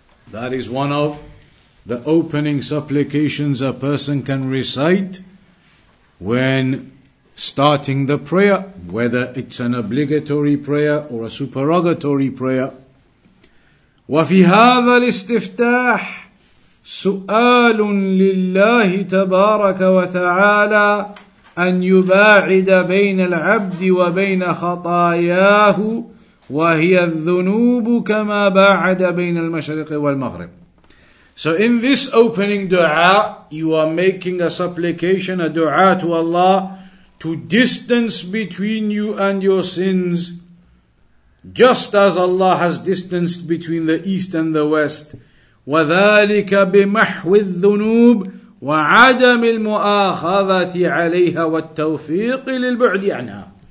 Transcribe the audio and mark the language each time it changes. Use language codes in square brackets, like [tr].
[en] That is one of the opening supplications a person can recite when starting the prayer, whether it's an obligatory prayer or a supererogatory prayer. [ar] وفي هذا الاستفتاح سؤال لله تبارك وتعالى أن يباعد بين العبد وبين خطاياه وهي الذنوب كما باعد بين المشرق والمغرب. [en] So in this opening dua, you are making a supplication, a dua to Allah, to distance between you and your sins, just as Allah has distanced between the east and the west. [ar] وَذَلِكَ بِمَحْوِ الذُّنُوبِ وَعَدَمِ الْمُؤَاخَذَةِ عَلَيْهَا وَالتَّوْفِيقِ لِلْبُعْدِ عَنْهَا.